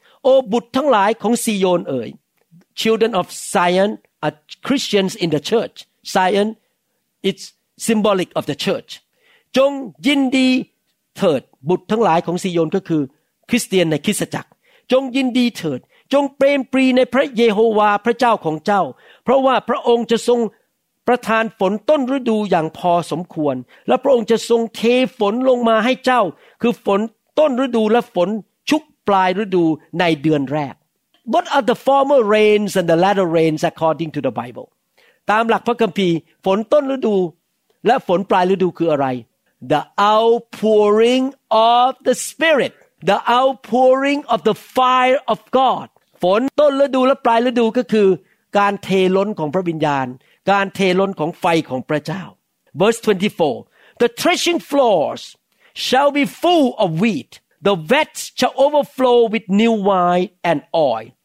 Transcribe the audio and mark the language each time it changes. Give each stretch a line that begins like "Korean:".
Thai: โอ้บุตรทั้งหลายของซิโยนเอ๋ย
English: children of Zion,Are Christians in the church. Zion, it's symbolic of the church.
Thai: จงยินดีเถิดบุตรทั้งหลายของซิโยนก็คือคริสเตียนในคริสตจักรจงยินดีเถิดจงเปรมปรีในพระเยโฮวาห์พระเจ้าของเจ้าเพราะว่าพระองค์จะทรง ประทานฝนต้นฤดูอย่างพอสมควรและพระองค์จะทรงเทฝนลงมาให้เจ้าคือฝนต้นฤดูและฝนชุกปลายฤดูในเดือนแรก
English: What are the former rains and the latter rains according to the Bible?
Thai: ตามหลักพระคัมภีร์ฝนต้นฤดูและฝนปลายฤดูคืออะไร
English: the outpouring of the Spirit, the outpouring of the fire of God.
Thai: ฝนต้นฤดูและปลายฤดูก็คือการเทล้นของพระวิญญาณการเทล้นของไฟของพระเจ้า
English: Verse 24, the threshing floors shall be full of wheat, the vats shall overflow with new wine and oil.